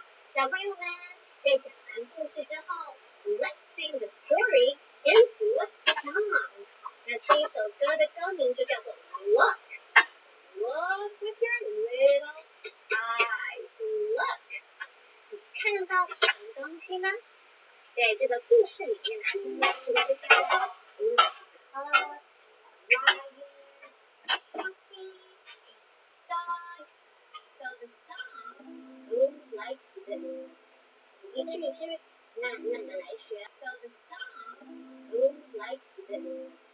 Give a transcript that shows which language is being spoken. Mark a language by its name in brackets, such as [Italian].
[Chinese] 小朋友们，在讲完故事之后 [English] ，Let's sing the story into a song. [Chinese] 那这首歌的歌名就叫做 Look. [English] Look with your little eyes. [Chinese] Look. 你看到什么东西呢？在这个故事里面呢，我们可以看到 [English] Look a lion, a puppy, a dog. So the song looks like this. [Chinese] 你听，慢慢的来学。 [English] So the song looks like this.